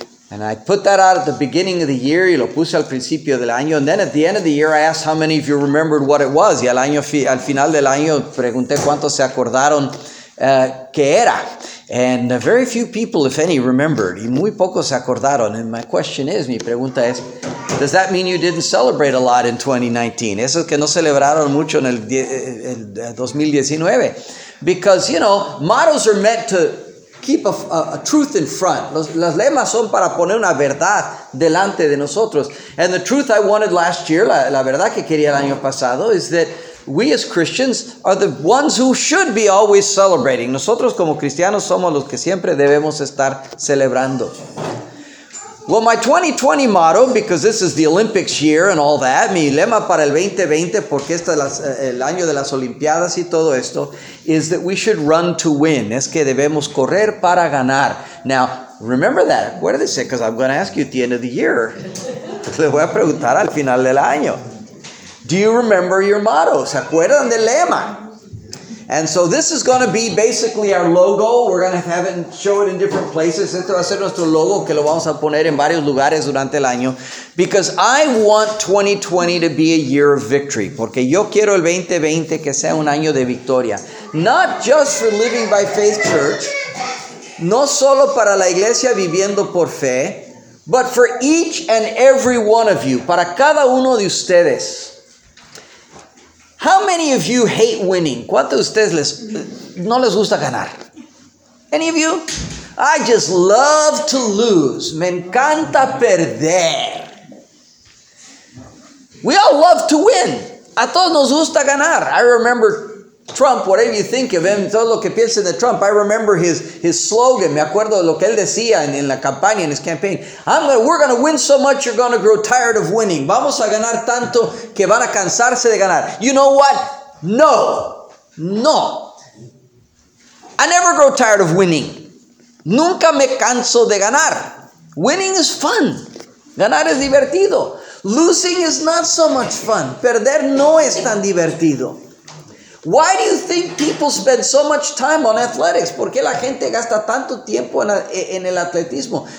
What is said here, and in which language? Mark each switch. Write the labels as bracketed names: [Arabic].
[English] And I put that out at the beginning of the year, [Spanish] y lo puse al principio del año, [English] and then at the end of the year I asked how many of you remembered what it was, [Spanish] y al final del año pregunté cuántos se acordaron qué era. [English] And very few people, if any, remembered. [Spanish] Y muy pocos se acordaron. [English] And my question is, [Spanish] mi pregunta es, [English] does that mean you didn't celebrate a lot in 2019? [Spanish] Eso es que no celebraron mucho en el 2019. [English] Because, you know, mottos are meant to keep a truth in front. [Spanish] Los lemas son para poner una verdad delante de nosotros. [English] And the truth I wanted last year, [Spanish] la verdad que quería el año pasado, [English] is that we as Christians are the ones who should be always celebrating. [Spanish] Nosotros como cristianos somos los que siempre debemos estar celebrando. [English] Well, my 2020 motto, because this is the Olympics year and all that, [Spanish] mi lema para el 2020, porque esta es el año de las Olimpiadas y todo esto, [English] is that we should run to win. [Spanish] Es que debemos correr para ganar. [English] Now, remember that. [Spanish] Acuérdese, [English] because I'm going to ask you at the end of the year. [Spanish] Le voy a preguntar al final del año. [English] Do you remember your motto? [Spanish] ¿Se acuerdan del lema? [English] And so this is going to be basically our logo. We're going to have it and show it in different places. [Spanish] Este va a ser nuestro logo que lo vamos a poner en varios lugares durante el año. [English] Because I want 2020 to be a year of victory. [Spanish] Porque yo quiero el 2020 que sea un año de victoria. [English] Not just for Living by Faith Church. [Spanish] No solo para la iglesia viviendo por fe. [English] But for each and every one of you. [Spanish] Para cada uno de ustedes. [English] How many of you hate winning? [Spanish] ¿Cuántos de ustedes no les gusta ganar? [English] Any of you? I just love to lose. [Spanish] Me encanta perder. [English] We all love to win. [Spanish] A todos nos gusta ganar. [English] I remember Trump, whatever you think of him, [Spanish] todo lo que piensen de Trump, [English] I remember his slogan. [Spanish] Me acuerdo lo que él decía en la campaña, en [English] his campaign. We're going to win so much, you're going to grow tired of winning. [Spanish] Vamos a ganar tanto que van a cansarse de ganar. [English] You know what? No. No. I never grow tired of winning. [Spanish] Nunca me canso de ganar. [English] Winning is fun. [Spanish] Ganar es divertido. [English] Losing is not so much fun. [Spanish] Perder no es tan divertido. [English] Why do you think people spend so much time on athletics? [Spanish] ¿Por qué la gente gasta tanto tiempo en el atletismo?